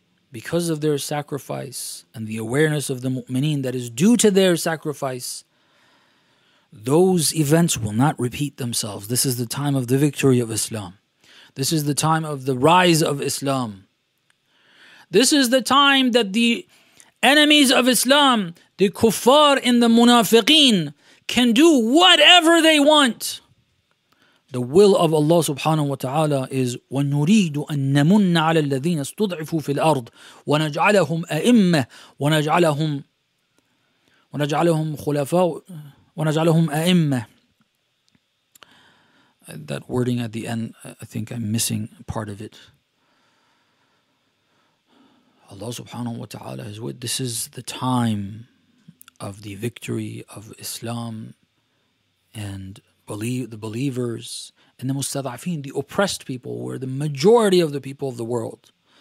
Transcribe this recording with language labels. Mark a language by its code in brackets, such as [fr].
[en] Because of their sacrifice and the awareness of the mu'mineen that is due to their sacrifice, those events will not repeat themselves. This is the time of the victory of Islam. This is the time of the rise of Islam. This is the time that the enemies of Islam, the kuffar and the munafiqeen, can do whatever they want. The will of Allah subhanahu wa ta'ala is [ar] وَنُرِيدُ أَن نَمُنَّ عَلَى الَّذِينَ اسْتُضْعِفُوا فِي الْأَرْضِ وَنَجْعَلَهُمْ أَئِمَّةِ وَنَجْعَلَهُمْ خُلَفَاءُ وَنَجْعَلَهُمْ أَئِمَّةِ. [en] That wording at the end, I think I'm missing part of it. Allah subhanahu wa ta'ala is with. This is the time of the victory of Islam and the believers, and the mustada'afin, the oppressed people, were the majority of the people of the world.